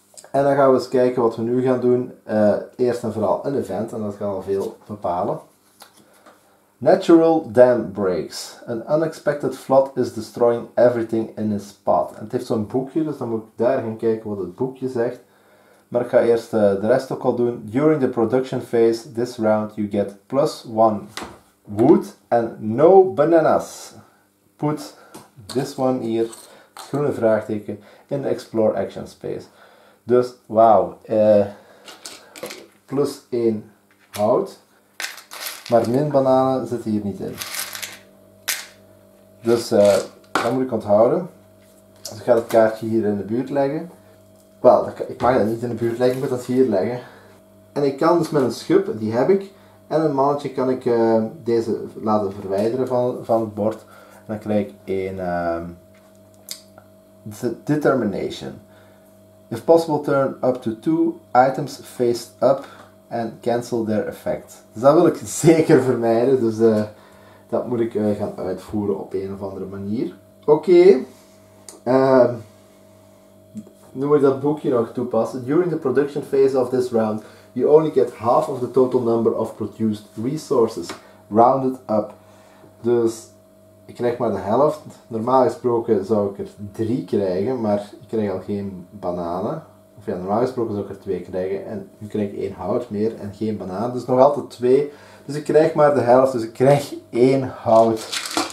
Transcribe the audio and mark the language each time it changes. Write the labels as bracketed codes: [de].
[nl] En dan gaan we eens kijken wat we nu gaan doen. Eerst en vooral een event, en dat gaat al veel bepalen. [en] Natural dam breaks. An unexpected flood is destroying everything in its path. [nl] En het heeft zo'n boekje, dus dan moet ik daar gaan kijken wat het boekje zegt. Maar ik ga eerst de rest ook al doen. [en] During the production phase, this round, you get +1 wood and no bananas. Put this one here, [nl] groene vraagteken, [en] in the explore action space. [nl] Dus, wauw. +1 hout. Maar min bananen zitten hier niet in. Dus dat moet ik onthouden. Dus ik ga het kaartje hier in de buurt leggen. Wel, ik mag dat niet in de buurt leggen, ik moet dat hier leggen. En ik kan dus met een schub, die heb ik, en een mannetje kan ik deze laten verwijderen van het bord. En dan krijg ik een determination. [en] If possible, turn up to 2 items face up and cancel their effect. [nl] Dus dat wil ik zeker vermijden, dus dat moet ik gaan uitvoeren op een of andere manier. Oké. Nu moet ik dat boekje nog toepassen. [en] During the production phase of this round, you only get half of the total number of produced resources. Rounded up. [nl] Dus ik krijg maar de helft. Normaal gesproken zou ik er 3 krijgen, maar ik krijg al geen bananen. Of ja, normaal gesproken zou ik er 2 krijgen. En nu krijg ik 1 hout meer en geen bananen. Dus nog altijd 2. Dus ik krijg maar de helft. Dus ik krijg 1 hout.